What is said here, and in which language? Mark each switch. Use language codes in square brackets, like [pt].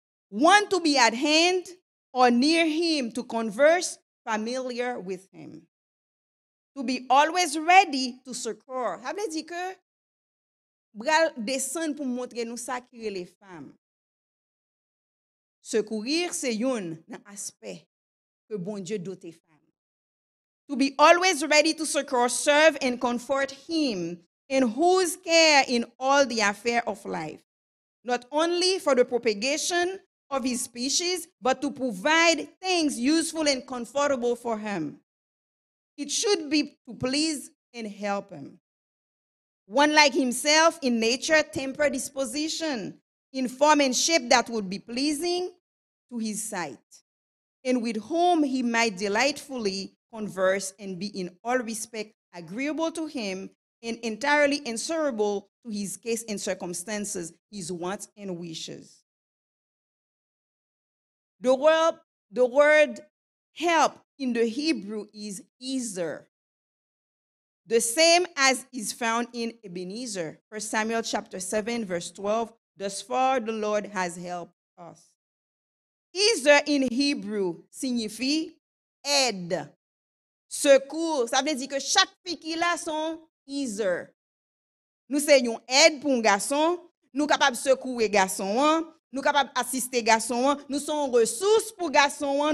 [en] One to be at hand or near him to converse, familiar with him. To be always ready to succor. [fr] Ça veut dire que Bral descend pour montrer nous ça qui est les femmes. Secourir, c'est un aspect que bon Dieu dote les femmes. [en] To be always ready to succor, serve and comfort him, in whose care in all the affairs of life. Not only for the propagation of his species, but to provide things useful and comfortable for him. It should be to please and help him. One like himself in nature, temper, disposition, in form and shape that would be pleasing to his sight, and with whom he might delightfully converse and be in all respect agreeable to him and entirely answerable to his case and circumstances, his wants and wishes. The word help in the Hebrew is ezer, the same as is found in Ebenezer, 1 Samuel chapter 7, verse 12, thus far the Lord has helped us. [fr] Ezer [en] in Hebrew [fr] signifie aide, secours. Ça veut dire que chaque fille qui a son ezer. Nous sommes aide pour un garçon, nous capables de secourir garçon, hein? Nous capables d'assister garçon, hein? Nous sommes ressources pour garçon, hein?